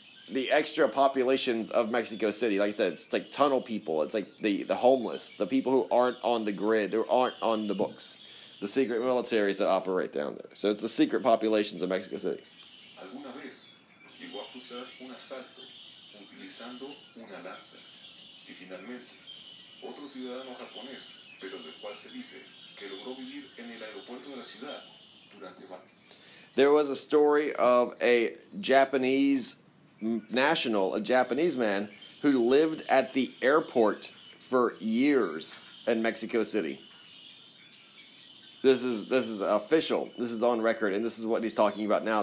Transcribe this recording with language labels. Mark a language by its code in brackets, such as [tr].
[en] The extra populations of Mexico City, like I said, it's like tunnel people. It's like the homeless, the people who aren't on the grid, who aren't on the books. The secret militaries that operate down there. So it's the secret populations of Mexico City. [es] ¿Alguna vez llegó a cruzar un asalto utilizando una lanza? Y finalmente, otro ciudadano japonés, pero del cual se dice que logró vivir en el aeropuerto de la ciudad durante... [en] There was a story of a Japanese national, a Japanese man, who lived at the airport for years in Mexico City. This is official. This is on record, and this is what he's talking about now.